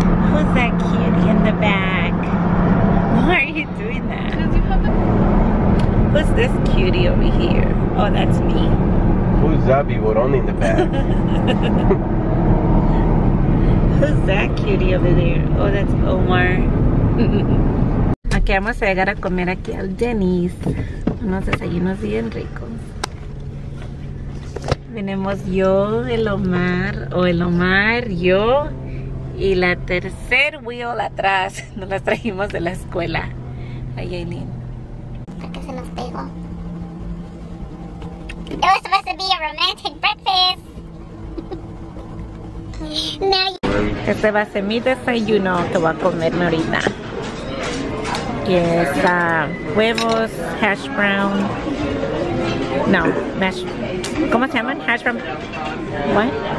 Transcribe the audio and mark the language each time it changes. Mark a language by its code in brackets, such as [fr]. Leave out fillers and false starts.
[en] Who's that cutie in the back? Why are you doing that? Because you have the... Who's this cutie over here? Oh, that's me. Who's Zabi Boron in the back? Who's that cutie over there? Oh, that's Omar. [es] Okay, vamos a llegar a comer aquí al Denny's. Unos desayunos bien ricos. Tenemos yo, el Omar, yo y la tercer wheel atrás. Nos las trajimos de la escuela. A Yaelin. Creo que se nos pegó. [en] It was supposed to be a romantic breakfast. [es] Este va a ser mi desayuno que voy a comerme ahorita. Que es huevos, hash brown. No, mash. ¿Cómo se llaman? Hash from... ¿What?